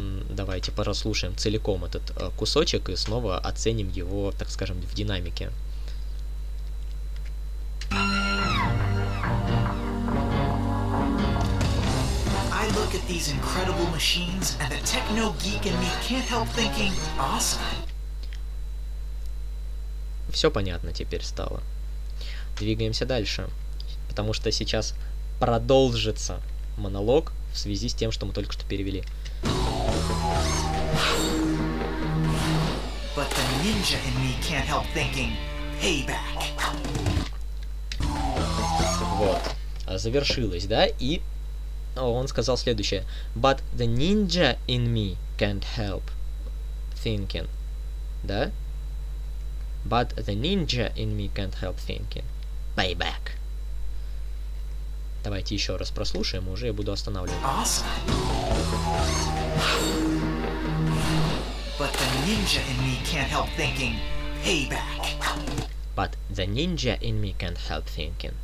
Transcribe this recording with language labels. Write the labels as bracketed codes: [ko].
[ru] Давайте прослушаем целиком этот кусочек и снова оценим его, так скажем, в динамике. [en] I look at these incredible machines and the techno geek in me can't help thinking awesome. [ru] Все понятно теперь стало. Двигаемся дальше, потому что сейчас продолжится монолог в связи с тем, что мы только что перевели. [en] But the ninja in me can't help thinking payback. [ru] Вот, завершилось, да? И он сказал следующее: [en] But the ninja in me can't help thinking, [ru] да? [en] But the ninja in me can't help thinking. Payback. [ru] Давайте еще раз прослушаем, уже я буду останавливать. [en] Awesome. But the ninja in me can't help thinking. Payback. But the ninja in me can't help thinking.